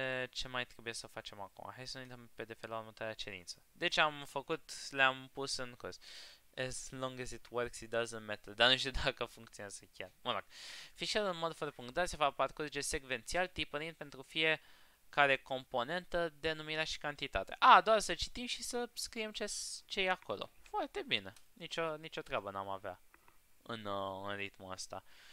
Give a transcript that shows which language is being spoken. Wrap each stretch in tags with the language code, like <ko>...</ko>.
<ro>Ce mai trebuie să facem acum? Hai să ne dăm PDF la următoarea cerință. Deci am făcut, le-am pus în curs.</ro> <en>As long as it works, it doesn't matter.</en> <ro>Dar nu știu dacă funcționează chiar. Mă rog. Fișierul în mod fără punct dar se va parcurge secvențial, tipărind pentru fie care componentă, denumirea și cantitatea. A, doar să citim și să scriem ce e acolo. Foarte bine. Nicio treabă n-am avea în ritmul ăsta.</ro>